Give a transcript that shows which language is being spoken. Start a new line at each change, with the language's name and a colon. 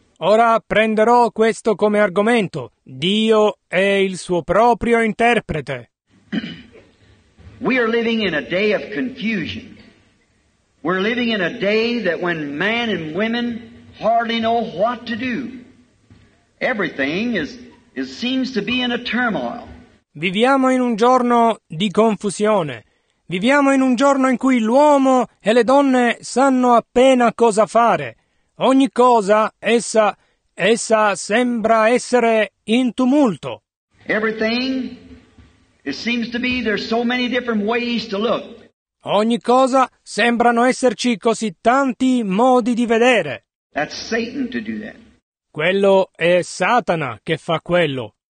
Italian: Ora prenderò questo come argomento. Dio è il suo proprio interprete.
English: We are living in a day of confusion. We're living in a day that when men and women hardly know what to do. Everything is seems to be in a turmoil.
Italian: Viviamo in un giorno di confusione. Viviamo in un giorno in cui l'uomo e le donne sanno appena cosa fare. Ogni cosa, essa sembra essere in tumulto.
English: Everything It seems to me there's so many different ways to look.
Italian: Ogni cosa sembrano esserci così tanti modi di vedere.
English: That's Satan to do that.
Italian: Quello è Satana che fa quello.